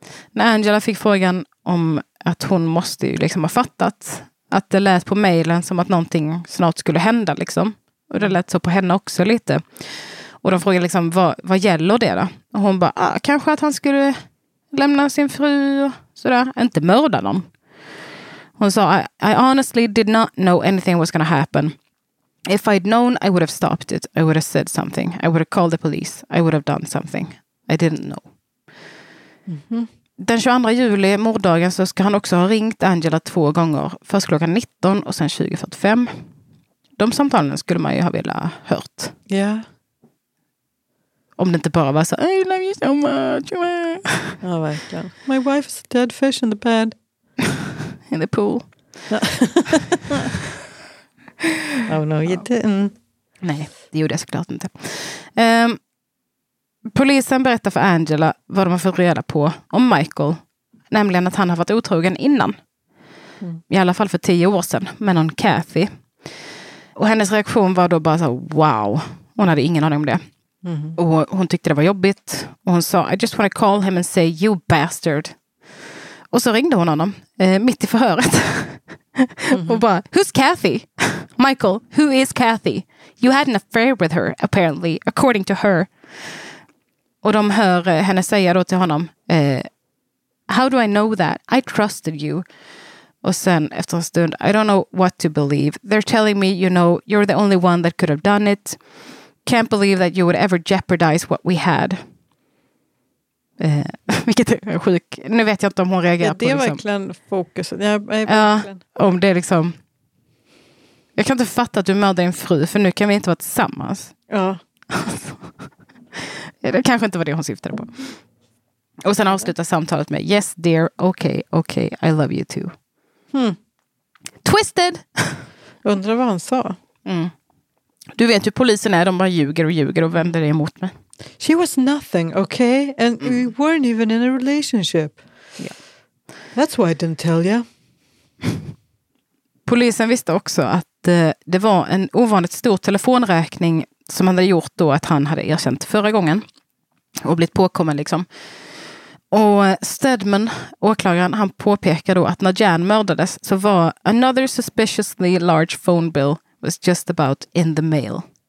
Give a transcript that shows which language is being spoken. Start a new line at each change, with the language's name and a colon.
Swedish: När Angela fick frågan om att hon måste ju liksom ha fattat att det lät på mejlen som att någonting snart skulle hända liksom. Och det lät så på henne också lite. Och de frågade liksom, vad gäller det då? Och hon bara, kanske att han skulle lämna sin fru och sådär. Inte mörda någon. Hon sa,
English: I honestly did not know anything was gonna happen. If I'd known, I would have stopped it. I would have said something. I would have called the police. I would have done something. I didn't know. Mm-hmm.
Swedish: Den 22 juli, morddagen, så ska han också ha ringt Angela 2 gånger. Först klockan 19 och sen 20:45. De samtalen skulle man ju ha velat hört. Ja. Yeah. Om det inte bara var så,
English: I love you so much.
Swedish: Ja, verkligen.
English: My wife is a dead fish in the bed. In the pool. Oh no, you didn't.
Swedish: Nej, det gjorde jag såklart inte. Polisen berättar för Angela vad de har fått reda på om Michael. Nämligen att han har varit otrogen innan. Mm. I alla fall för 10 år sedan med någon Kathy. Och hennes reaktion var då bara så wow. Hon hade ingen aning om det. Mm-hmm. Och hon tyckte det var jobbigt. Och hon sa,
English: I just want to call him and say, you bastard.
Swedish: Och så ringde hon honom, mitt i förhöret.
English: Mm-hmm.
Swedish: Och bara,
English: who's Kathy? Michael, who is Kathy? You had an affair with her, apparently, according to her. Och de hör henne säga då till honom, how do I know that? I trusted you.
Swedish: Och sen efter en stund,
English: I don't know what to believe. They're telling me, you know, you're the only one that could have done it. Can't believe that you would ever jeopardize what we had.
Swedish: Vilket är sjuk. Nu vet jag inte om hon reagerar på det. Det är verkligen fokuset. Ja, om det är liksom... Jag kan inte fatta att du mördar din fru, för nu kan vi inte vara tillsammans. Ja. Det kanske inte var det hon syftade på. Och sen avslutar samtalet med
English: yes, dear, okay, okay, I love you too. Hmm. Twisted!
Swedish: Undrar vad han sa. Mm. Du vet hur polisen är, de bara ljuger och vänder det emot mig.
English: She was nothing, okay? And we weren't even in a relationship. Yeah. That's why I didn't tell you.
Swedish: Polisen visste också att det var en ovanligt stor telefonräkning som han hade gjort då, att han hade erkänt förra gången och blivit påkommen liksom. Och Stedman, åklagaren, han påpekar då att när Jan mördades så var
English: another suspiciously large phone bill was just about in the mail.